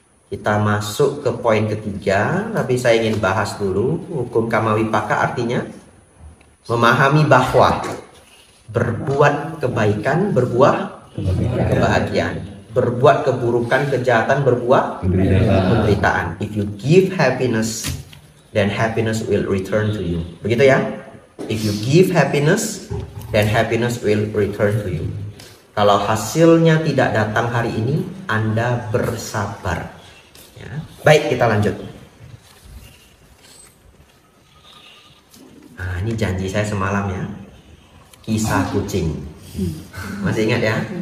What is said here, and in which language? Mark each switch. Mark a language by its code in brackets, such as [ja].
[id] Kita masuk ke poin ketiga, tapi saya ingin bahas dulu hukum kamawipaka, artinya memahami bahwa berbuat kebaikan berbuah kebahagiaan, berbuat keburukan, kejahatan berbuah penderitaan. [en] If you give happiness, then happiness will return to you. [id] Begitu ya? [en] If you give happiness, then happiness will return to you. [id] Kalau hasilnya tidak datang hari ini, Anda bersabar. Ya. Baik, kita lanjut. Nah, ini janji saya semalam ya. Kisah kucing. Masih ingat ya?